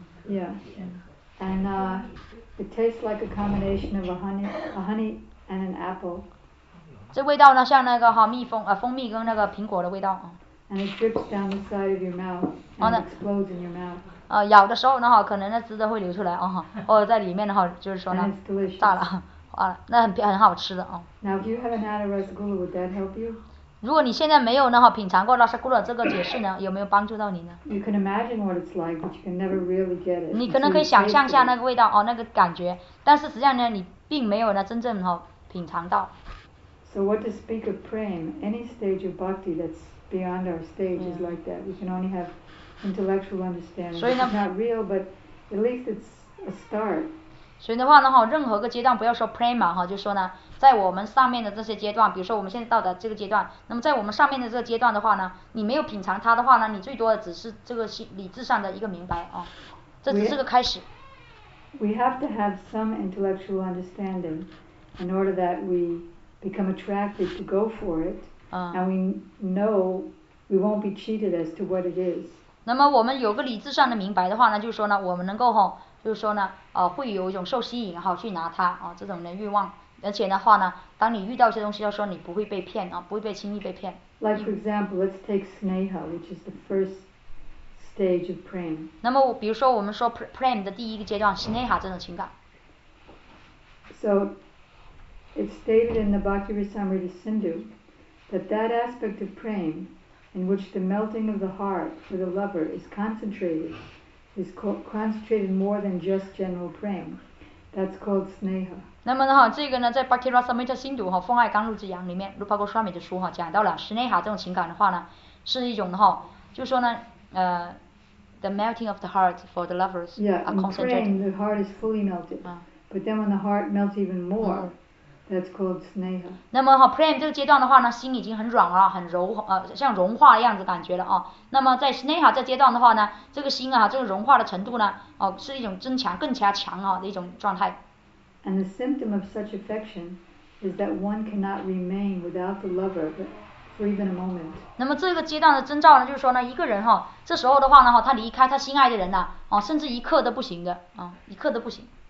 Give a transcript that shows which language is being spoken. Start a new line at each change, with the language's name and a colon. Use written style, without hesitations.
English: Yeah. And it tastes like a combination of a honey and an apple.
Chinese: 这味道呢，像那个蜜蜂蜂蜜跟那个苹果的味道
English: And it drips down the side of your mouth and explodes in your mouth.
Chinese: 咬的时候呢可能那汁都会流出来或者在里面的话就是说呢
English: And it's delicious.
Chinese: 炸了那很好吃的
English: Now if you haven't had a rasagula, would that help you?
Chinese: 如果你现在没有呢品尝过 rasagula 这个解释呢有没有帮助到你呢
English: You can imagine what it's like, but you can never really get it.
Chinese: 你可能可以想象下那个味道那个感觉，但是实际上呢你并没有呢真正品尝到。
English: So what to speak of praying, any stage of bhakti that's beyond our stage is like that. We can only have intellectual understanding. It's not real, but at least it's a start.
Chinese: 所以的话呢哈，任何个阶段不要说 prema 哈，就说呢，在我们上面的这些阶段，比如说我们现在到达这个阶段，那么在我们上面的这个阶段的话呢，你没有品尝它的话呢，你最多的只是这个理智上的一个明白这只是个开始。
English: We have to have some intellectual understanding in order that we become attracted to go for it, and we know we won't be cheated as to what it is.
Chinese: 那么我们有个理智上的明白的话呢，就是说呢，我们能够就是说呢，会有一种受吸引去拿它这种的欲望，而且的话呢，当你遇到一些东西，就说你不会被骗不会被轻易被骗。
English: Like for example, let's take sneha, which is the first stage of prem.
Chinese: 那么比如说我们说 prem 的第一个阶段 sneha 这种情感。
English: So it's stated in the Bhakti Rasamrita Sindhu that that aspect of prem. In which the melting of the heart for the lover is concentrated more than just general prem. That's called sneha.
Chinese: 那么呢，这个呢，在《Bhakti Rasamrita Sindhu》《风爱甘露之洋》里面，Rupa Goswami的书讲到了 sneha 这种情感的话呢，是一种就说呢，
English: the melting of the heart for the lovers are concentrated. Yeah, in prem, the heart is fully melted. But then when the heart melts even more. That's called sneha.
Chinese: 那么prem 这个阶段的话呢，心已经很软了，很柔像融化的样子感觉了那么在 sneha 这阶段的话呢，这个心这个融化的程度呢，是一种增强，更加强的一种状态。
English: And the symptom of such affection is that one cannot remain without the lover for even a moment.
Chinese: 那么这个阶段的征兆呢，就是说呢，一个人这时候的话呢他离开他心爱的人呢甚至一刻都不行的一刻都不行。